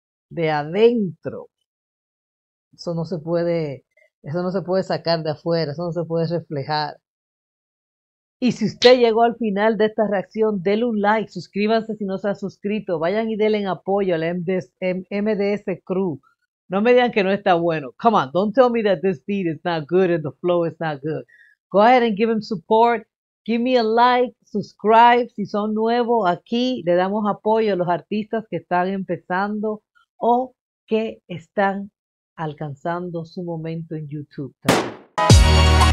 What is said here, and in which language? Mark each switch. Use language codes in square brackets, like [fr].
[es] De adentro. Eso no se puede sacar de afuera, eso no se puede reflejar. Y si usted llegó al final de esta reacción, denle un like, suscríbanse si no se ha suscrito, vayan y denle apoyo al MDS Crew. No me digan que no está bueno. [en] Come on, don't tell me that this beat is not good and the flow is not good. Go ahead and give him support, give me a like, subscribe. [es] Si son nuevos aquí, le damos apoyo a los artistas que están empezando o que están alcanzando su momento en YouTube también.